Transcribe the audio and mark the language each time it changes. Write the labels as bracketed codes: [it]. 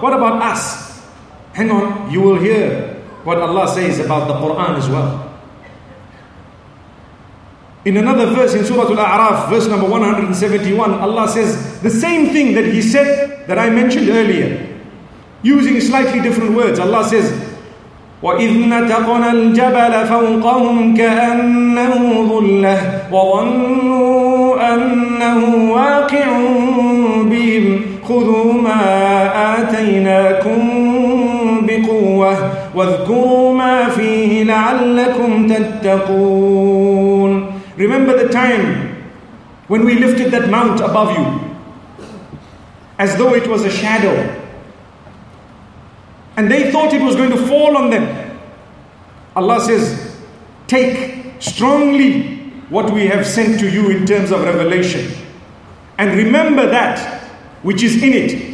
[en] What about us? Hang on, you will hear what Allah says about the Quran as well. In another verse in Surah Al-A'raf, verse number 171, Allah says the same thing that He said that I mentioned earlier, using slightly different words. Allah says, [ar] وَإِذْ نَتَقْنَا الْجَبَلَ فَوْقَهُمْ كَأَنَّهُ ظُلَّةٌ وَظَنُّوا أَنَّهُ وَاقِعٌ بِهِمْ خُذُوا مَا آتَيْنَاكُمْ بِقُوَّةٍ وَاذْكُرُوا مَا فِيهِ لَعَلَّكُمْ تَتَّقُونَ. [en] Remember the time when we lifted that mount above you as though it was a shadow, and they thought it was going to fall on them. Allah says, take strongly what we have sent to you in terms of revelation, and remember that which is in it.